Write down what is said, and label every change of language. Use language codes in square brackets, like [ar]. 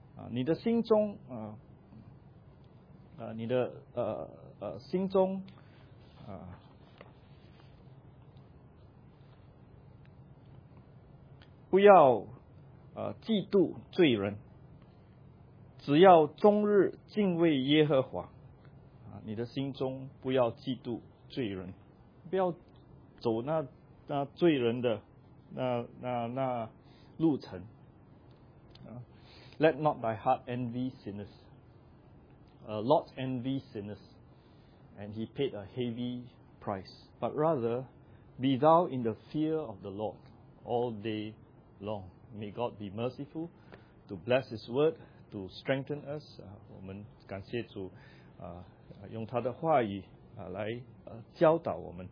[zh] 你的心中你的心中不要嫉妒罪人，只要终日敬畏耶和华。你的心中不要嫉妒罪人，不要走那罪人的那路程。 [en] Let not thy heart envy sinners. Lot envy sinners, and he paid a heavy price. But rather, be thou in the fear of the Lord all day long. May God be merciful to bless His word, to strengthen us. [zh] 我们感谢主，用他的话语来教导我们。